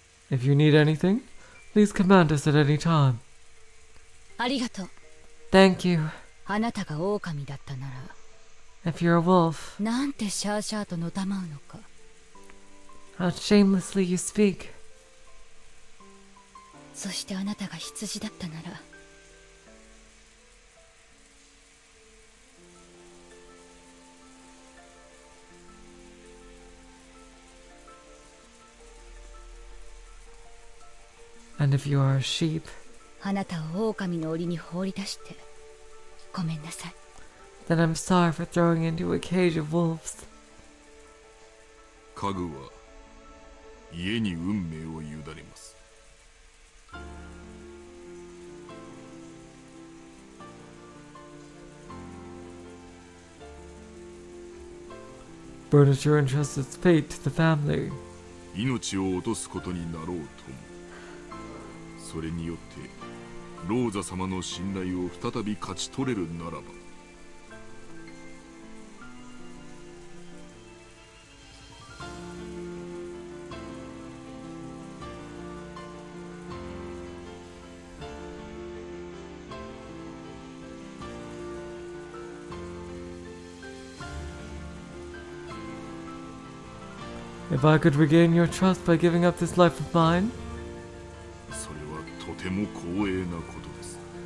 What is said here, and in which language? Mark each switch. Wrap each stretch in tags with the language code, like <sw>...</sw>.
<en>If you need anything, please command us at any time.</en> <ja>ありがとう。</ja> <en>Thank you.</en> <ja>あなたが狼だったなら。</ja> <en>If you're a wolf.</en> <ja>なんてシャーシャーとのたまうのか。</ja> <en>How shamelessly you speak.</en> <ja>そしてあなたが羊だったなら。</ja> <en>And if you are a sheep.</en> <ja>あなたを狼の檻に放り出して、ごめんなさい。</ja> <en>Then I'm sorry for throwing into a cage of wolves.</en> <ja>家具は家に運命を委ねます。</ja> <en>Furniture entrusts its fate to the family.</en> <ja>命を落とすことになろうとも、それによってローザ様の信頼を再び勝ち取れるならば。</ja> <en>If I could regain your trust by giving up this life of mine,</en> <ja>それはとても光栄なことです。</ja>